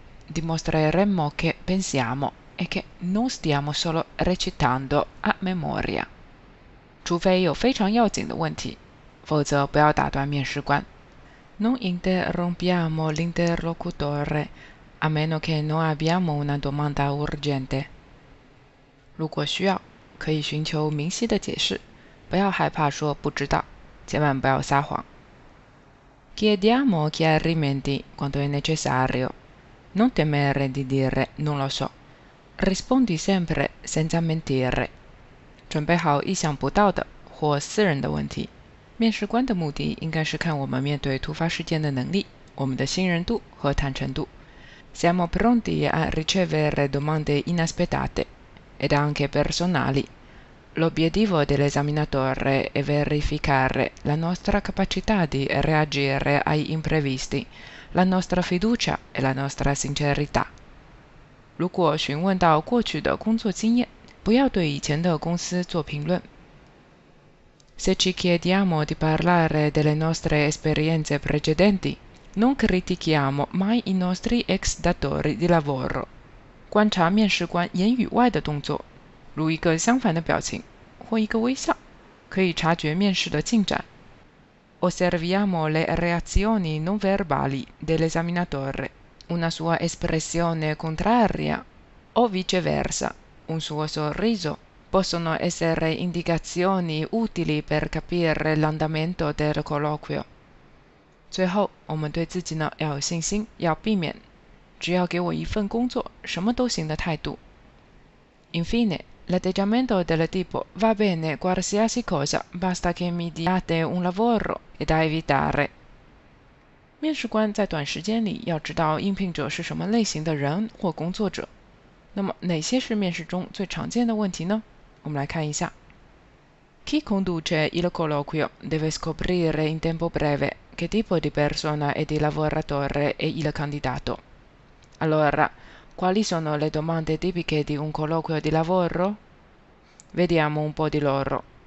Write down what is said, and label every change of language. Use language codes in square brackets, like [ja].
[it] Dimostreremo che pensiamo e che non stiamo solo recitando a memoria. [zh] 除非有非常要紧的问题，否则不要打断面试官。 [it] Non interrompiamo l'interlocutore, a meno che non abbiamo una domanda urgente. [zh] 如果需要，可以寻求明晰的解释。不要害怕说不知道，千万不要撒谎。 [it] Chiediamo chiarimenti quando è necessario. Non temere di dire non lo so. Rispondi sempre senza mentire. [zh] 准备好意想不到的，或私人的问题。面试官的目的应该是看我们面对突发事件的能力，我们的信任度和坦诚度。 [it] Siamo pronti a ricevere domande inaspettate ed anche personali. L'obiettivo dell'esaminatore è verificare la nostra capacità di reagire ai imprevisti, la nostra fiducia e la nostra sincerità. [zh] 如果询问到过去的工作经验，不要对以前的公司做评论。 [it] Se ci chiediamo di parlare delle nostre esperienze precedenti, non critichiamo mai i nostri ex datori di lavoro. [zh] 观察面试官言语外的动作，如一个相反的表情或一个微笑，可以察觉面试的进展。 [it] Osserviamo le reazioni non verbali dell'esaminatore, una sua espressione contraria o viceversa, un suo sorriso. Possono essere indicazioni utili per capire l'andamento del colloquio. [zh] 最后，我们对自己呢要有信心，要避免只要给我一份工作，什么都行的态度。 [it] Infine, l'atteggiamento del tipo va bene qualsiasi cosa, basta che mi diate un lavoro e da evitare. [zh] 面试官在短时间里要知道应聘者是什么类型的人或工作者。那么，哪些是面试中最常见的问题呢？我们来看一下。 [it] Chi conduce il colloquio deve scoprire in tempo breve che tipo di persona e di lavoratore è il candidato. Allora, quali sono le domande tipiche di un colloquio di lavoro? Vediamo un po' di loro.